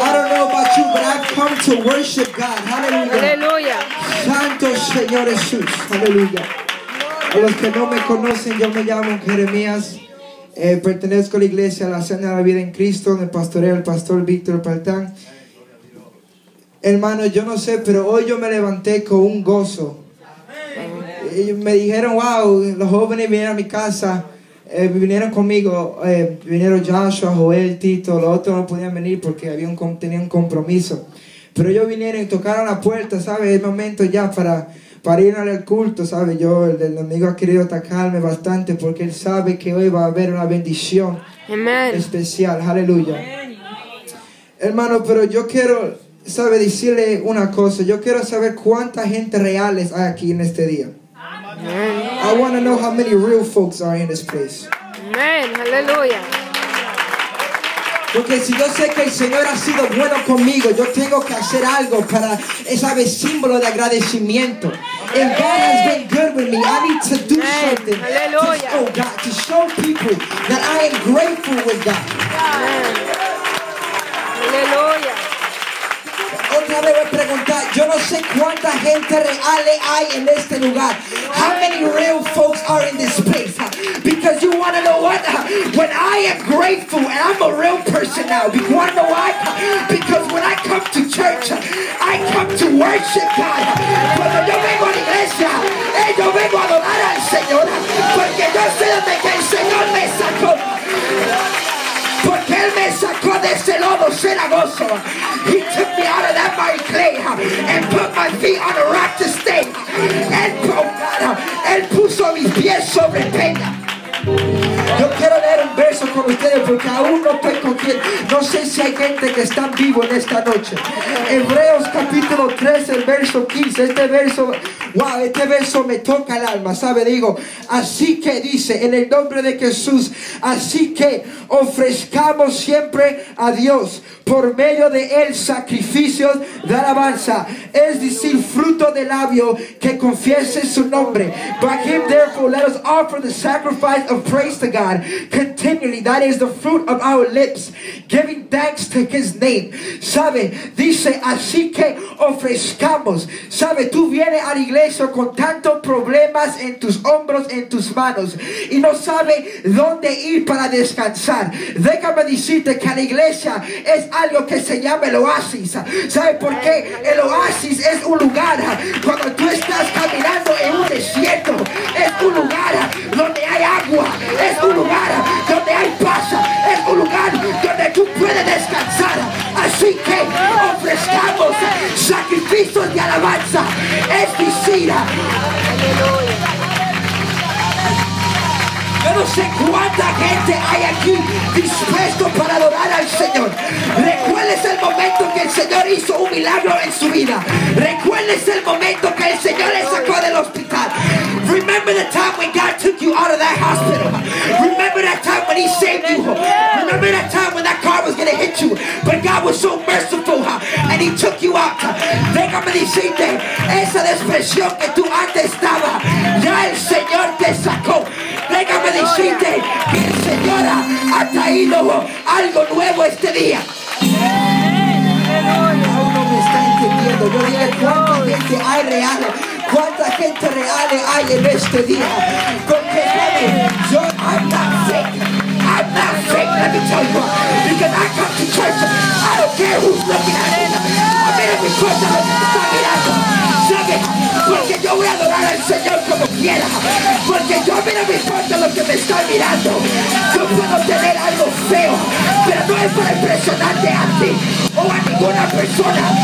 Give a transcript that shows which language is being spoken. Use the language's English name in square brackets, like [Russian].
[English] I don't know about you, but I've come to worship God. Hallelujah. [Spanish] Aleluya. Santo Señor Jesús. Aleluya. A los que no me conocen, yo me llamo Jeremías. Pertenezco a la iglesia La Cena de la Vida en Cristo, donde pastoreo el pastor Víctor Paltán. Hermano, yo no sé, pero hoy yo me levanté con un gozo. Me dijeron, [English] wow, [Spanish] los jóvenes vinieron a mi casa, vinieron conmigo, vinieron Joshua, Joel, Tito, los otros no podían venir porque tenían un compromiso. Pero ellos vinieron y tocaron la puerta, ¿sabes? Es momento ya para ir al culto, ¿sabes? Yo, el amigo ha querido atacarme bastante porque él sabe que hoy va a haber una bendición. [English] Amen. [Spanish] Especial, aleluya. Hermano, pero yo quiero, ¿sabe? Decirle una cosa, yo quiero saber cuánta gente reales hay aquí en este día. [English] Amen. I want to know how many real folks are in this place. Amen. Hallelujah. [Spanish] Porque si yo sé que el Señor ha sido bueno conmigo, yo tengo que hacer algo para ese símbolo de agradecimiento. [English] If God has been good with me, I need to do something. Hallelujah. Oh God, to show people that I am grateful with God. Hallelujah. [Spanish] Otra vez voy a preguntar, yo no sé cuánta gente real hay en este lugar. [English] How many real folks are in this place? Because you want to know what? When I am grateful, and I'm a real person now. You want to know why? Because when I come to church, I come to worship God. [Spanish] Cuando yo vengo a la iglesia, yo vengo a adorar al Señor. Porque yo sé dónde que el Señor me sacó. Porque Él me sacó de ese lodo cenagoso. [English] He took me out of that mighty clay and put my feet on a rock to stay. [Spanish] Él puso mis pies sobre peña. Yo quiero leer un verso con ustedes porque aún no estoy con quien. No sé si hay gente que está vivo en esta noche. Hebreos capítulo 13, el verso 15. Este verso, wow, este verso me toca el alma, ¿sabe? Digo, así que dice, en el nombre de Jesús, así que ofrezcamos siempre a Dios por medio de Él sacrificios de alabanza, es decir, fruto de labio que confiese su nombre. [English] By Him, therefore, let us offer the sacrifice of praise to God continually, that is the fruit of our lips, giving thanks to His name. [Spanish] ¿Sabe? Dice, así que ofrezcamos. ¿Sabe? Tú vienes a la iglesia con tantos problemas en tus hombros, en tus manos, y no sabe dónde ir para descansar. Déjame decirte que a la iglesia es algo que se llama el oasis. ¿Sabe por qué? El oasis es un lugar cuando tú estás caminando en un desierto. Es un lugar donde hay agua. Es un lugar donde hay paz. Es un lugar donde tú puedes descansar. Así que ofrezcamos sacrificios de alabanza. Es decir, yo no sé cuánta gente hay aquí dispuesto para adorar al Señor. Recuérdese el momento que el Señor hizo un milagro en su vida. Recuérdese el momento que el Señor le sacó del hospital. [English] Remember the time when God took you out of that hospital. Remember that time when He saved you. Remember that time when that car was going to hit you. But God was so merciful, and He took you out. [Spanish] Déjame decirte, esa depresión que tú antes estaba, ya el Señor te sacó. Déjame decirte que el Señor ha traído algo nuevo este día. Yo dije, ¿cuánta gente hay real? ¿Cuánta gente real hay en este día? Porque, ¿sabe? Yo, [English] I'm not sick, let me tell you why. Because I come to church, I don't care who's looking at it. I'm in every church, I'm [Spanish] mirando. ¿Sabe? Porque yo voy a adorar al Señor como quiera. Porque yo, a mí no me importa lo que me está mirando. Yo puedo tener algo feo, pero no es para impresionarte a ti o a ninguna persona.